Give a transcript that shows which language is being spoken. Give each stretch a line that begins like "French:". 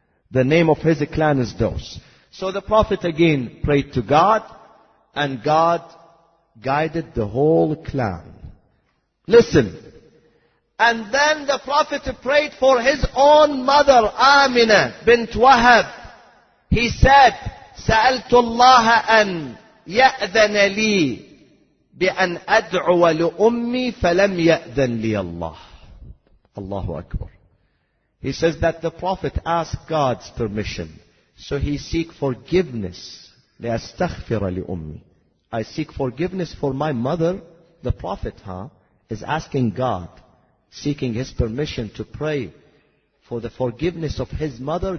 English: The name of his clan is Daws. So the Prophet again prayed to God and God guided the whole clan. Listen. And then the Prophet prayed for his own mother, Amina bint Wahab. He said,
Arabic: سَأَلْتُ اللَّهَ أَنْ يَأْذَنَ لِي بِأَنْ أَدْعُوَ لِأُمِّي فَلَمْ يَأْذَنْ لِيَ اللَّهُ. Allahu Akbar.
English: He says that the Prophet asked God's permission. So he seek forgiveness.
Arabic: لِأَسْتَغْفِرَ لِأُمِّي.
English: I seek forgiveness for my mother. The Prophet, is asking God, seeking his permission to pray for the forgiveness of his mother.